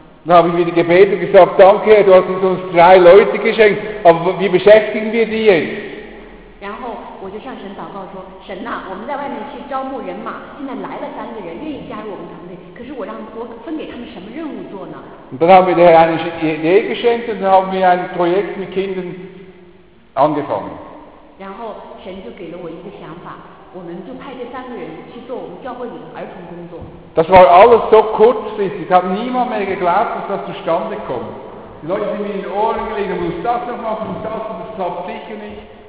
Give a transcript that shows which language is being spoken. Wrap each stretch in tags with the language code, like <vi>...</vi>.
<de>Habe ich wieder gebetet und gesagt, danke, du hast uns 3 Leute geschenkt, aber wie beschäftigen wir die jetzt?</de> <zh>然后我就向神祷告说，神呐，我们在外面去招募人马，现在来了三个人愿意加入我们团队，可是我分给他们什么任务做呢？</zh> <de>Und dann haben wir der Herr eine Idee geschenkt und haben wir ein Projekt mit Kindern angefangen.</de> <zh>然后神就给了我一个想法，我们就派这三个人去做我们教会里的儿童工作。</zh> <de>Das war alles so kurzfristig, hat niemand mehr geglaubt, dass das zustande kommt. Die Leute sind mir in den Ohren gelegen, muss das noch machen, muss das, und das klappt sicher nicht.</de>